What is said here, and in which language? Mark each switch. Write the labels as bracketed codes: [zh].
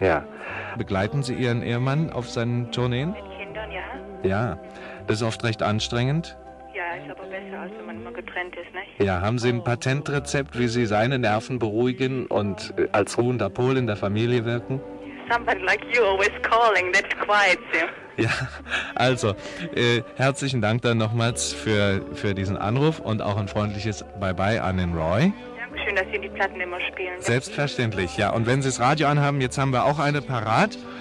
[de] Ja. Begleiten Sie Ihren Ehemann auf seinen Tourneen? Mit Kindern, ja. Ja. Das ist oft recht anstrengend. Ja, ist aber besser, als wenn man immer getrennt ist, nicht? Ja, haben Sie ein Patentrezept, wie Sie seine Nerven beruhigen und als ruhender Pol in der Familie wirken? [en] Somebody like you always calling, that quiets him. [de] Ja, also, herzlichen Dank dann nochmals für diesen Anruf und auch ein freundliches Bye-bye an den Roy. Dankeschön, dass Sie die Platten immer spielen. Selbstverständlich, ja. Und wenn Sie das Radio anhaben, jetzt haben wir auch eine parat.